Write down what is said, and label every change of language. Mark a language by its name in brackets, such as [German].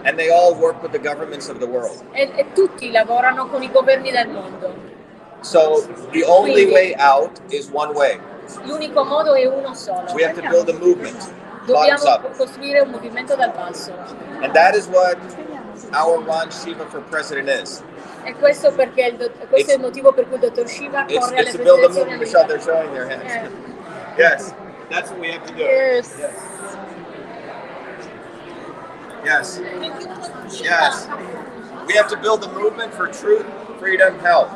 [English] And they all work with the governments of the world. [Italian] E tutti lavorano con I governi del mondo. [English] So the only way out is one way. [Italian] L'unico modo è uno solo. [English] We have to build a movement. [Italian] Dobbiamo costruire un movimento dal basso. [English] And that is what our run Shiva for President is. [Italian] E questo perché questo è il motivo per cui il dottor Shiva corre alle presidenze. [English] It's to build a movement. Michelle, they're showing their hands. Yes, that's what we have to do. Yes. Yes. Yes. We have to build a movement for truth, freedom, health.